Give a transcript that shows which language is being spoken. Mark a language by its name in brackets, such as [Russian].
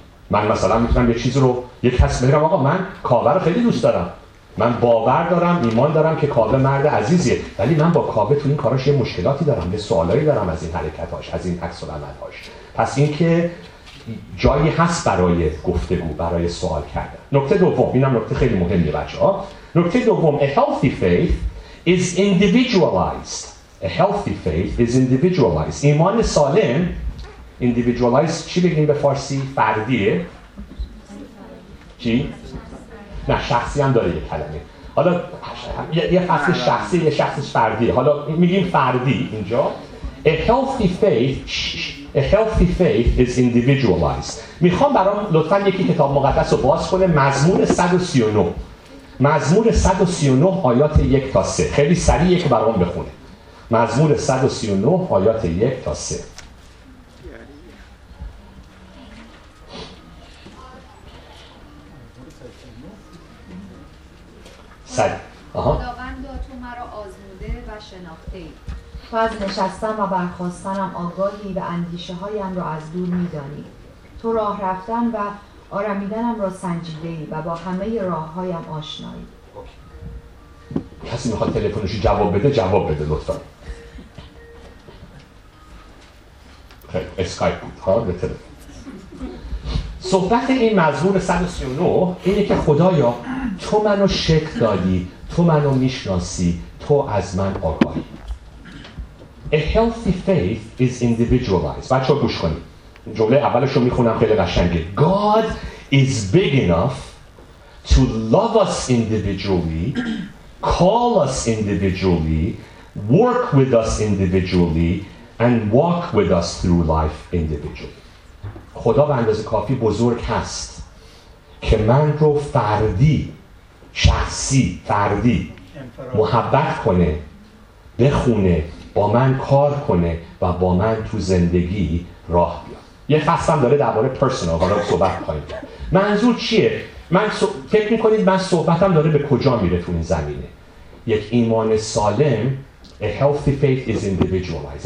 [Persian] من مثلا میتونم یه چیز رو، یه کس بگیرم آقا من کاوه رو خیلی دوست دارم، من باور دارم، ایمان دارم که کاوه مرد عزیزیه، ولی من با کاوه تو این کاراش یه مشکلاتی دارم، یه سوالایی دارم از این حرکتاش، از این عکس العمل‌هاش. پس این که جایی هست برای گفتگو، برای سوال کردن. نکته دوم، اینم نکته خیلی مهمیه بچه‌ها. نکته دوم، [English] a healthy faith is individualized. A healthy faith is individualized. [Persian] ایمان سالم، individualized چی بگیم به فارسی؟ فردیه. چی؟ نه شخصی هم داره یه کلمه. حالا یه فصل شخصی، یه شخصش فردیه. حالا میگیم فردی اینجا. [English] A healthy faith، A healthy faith is individualized. [Persian] میخوام برام لطفاً یکی کتاب مقدس رو باز کنه، مزمور 139. مزمور 139 آیات 1 تا 3. خیلی سریع یک برام بخونه. مزمور 139 آیات 1 تا 3. سریع. خداوند تو مرا آزموده و شناخته‌ای. تو از نشستن و برخواستنم آگاهی و اندیشه هایم را از دور می دانی. تو راه رفتن و آرمیدنم را سنجیده ای و با همه راه هایم آشنایی. کسی می خواد تلفنش رو جواب بده، جواب بده لطفا. خیلی اسکایپ بود ها به تلفن. صحبت این مزمور 139 اینه که خدایا تو منو شکل دادی، تو منو می شناسی، تو از من آگاهی. [English] A healthy faith is individualized. [Persian] بچه ها گوش کنید. جمله اولش رو میخونم خیلی قشنگه. [English] God is big enough to love us individually, call us individually, work with us individually, and walk with us through life individually. [Persian] خدا به اندازه کافی بزرگ هست که من رو فردی، شخصی، فردی محبت کنه، بخونه، با من کار کنه و با من تو زندگی راه بیاد. یه فصلم داره درباره پرسونال حالا صحبت کنیم. منظور چیه؟ فکر میکنید من صحبتم داره به کجا میره تو این زمینه؟ یک ایمان سالم، [English] a healthy faith is individualized.